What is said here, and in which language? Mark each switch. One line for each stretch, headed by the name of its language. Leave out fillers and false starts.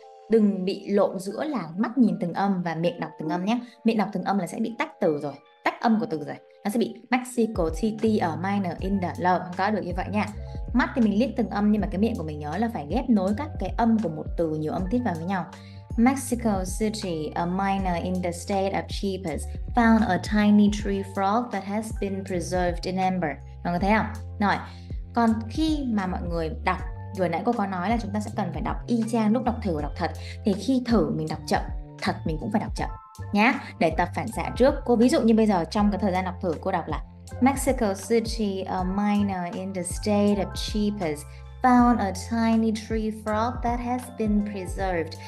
Vietnamese: đừng bị lộn giữa là mắt nhìn từng âm và miệng đọc từng âm nhé. Miệng đọc từng âm là sẽ bị tách từ rồi, tách âm của từ rồi. Nó sẽ bị Mexico City ở minor in the low, không có được như vậy nha. Mắt thì mình liếc từng âm nhưng mà cái miệng của mình nhớ là phải ghép nối các cái âm của một từ nhiều âm tiết vào với nhau.
English: Mexico City, a miner in the state of Chiapas, found a tiny tree frog that has been preserved in amber.
Vietnamese: Mọi người thấy không? Rồi, còn khi mà mọi người đọc, vừa nãy cô có nói là chúng ta sẽ cần phải đọc y chang lúc đọc thử và đọc thật, thì khi thử mình đọc chậm, thật mình cũng phải đọc chậm nhá, để tập phản xạ trước. Cô ví dụ như bây giờ trong cái thời gian đọc thử, cô đọc là Mexico City, a miner in the state of Chiapas, found a tiny tree frog that has been preserved.